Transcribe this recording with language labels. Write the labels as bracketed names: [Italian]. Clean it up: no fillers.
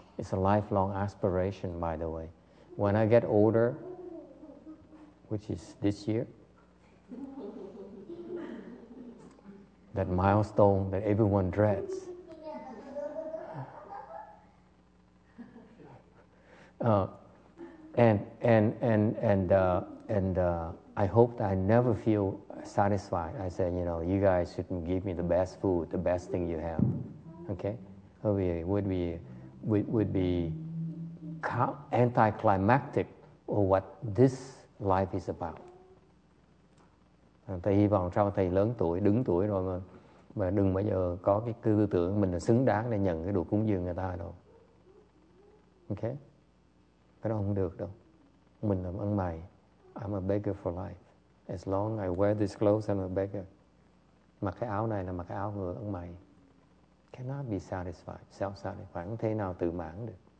[English] It's a lifelong aspiration, by the way. When I get older, which is this year, that milestone that everyone dreads, I hope that I never feel satisfied. I said, you know, you guys should give me the best food, the best thing you have. Okay, would be anticlimactic of what this life is about. [Vietnamese] Thầy hy vọng sau thầy lớn tuổi, đứng tuổi rồi mà đừng bao giờ có cái tư tưởng mình là xứng đáng để nhận cái đồ cúng dường người ta đâu. Ok? Cái đó không được đâu. Mình làm ăn mày. [English] I'm a beggar for life. As long as I wear this clothes, I'm a beggar. [Vietnamese] Mặc cái áo này là mặc cái áo vừa ăn mày. [English] Cannot be satisfied. Self-satisfied. [Vietnamese] Không thể nào tự mãn được.